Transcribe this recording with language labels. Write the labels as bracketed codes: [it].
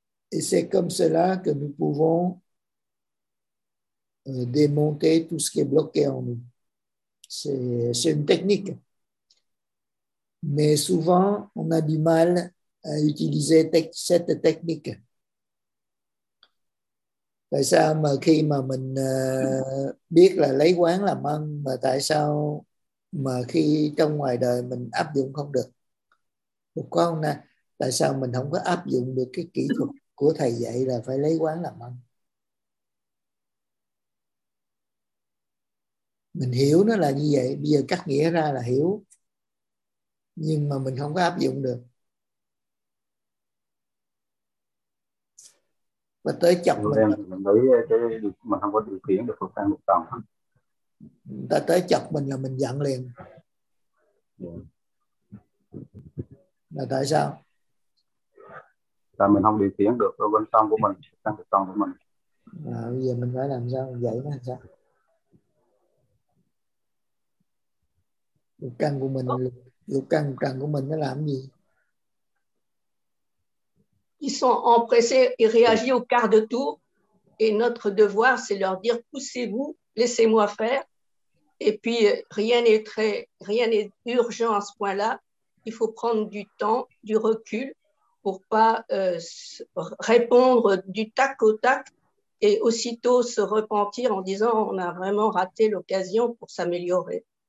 [fr] Et c'est comme cela que nous pouvons démonter tout ce qui est bloqué en nous. C'est une technique. Mais souvent, on a du mal à utiliser cette technique. [vi] Tại sao mà khi mà mình biết là lấy quán làm ăn mà tại sao mà khi trong ngoài đời mình áp dụng không được? Có không nè? Tại sao mình không có áp dụng được cái kỹ thuật của thầy dạy là phải lấy quán làm ăn? Mình hiểu nó là như vậy, bây giờ cắt nghĩa ra là hiểu, nhưng mà mình không có áp dụng được. Và tới chồng mình, mình không có điều khiển được một trang một tầng. Người ta tới chọc mình là mình giận liền. Là tại sao? Là mình không điều khiển được ở bên trong của mình, trang một tầng của mình. Bây giờ mình phải làm sao? Vậy nó làm sao? Lục căn của mình, lục căn của mình nó làm gì? [fr] Ils sont empressés, ils réagissent au quart de tour. Et notre devoir, c'est leur dire poussez-vous, laissez-moi faire. Et puis rien n'est urgent à ce point-là. Il faut prendre du temps, du recul, pour pas répondre du tac au tac et aussitôt se repentir en disant on a vraiment raté l'occasion pour s'améliorer.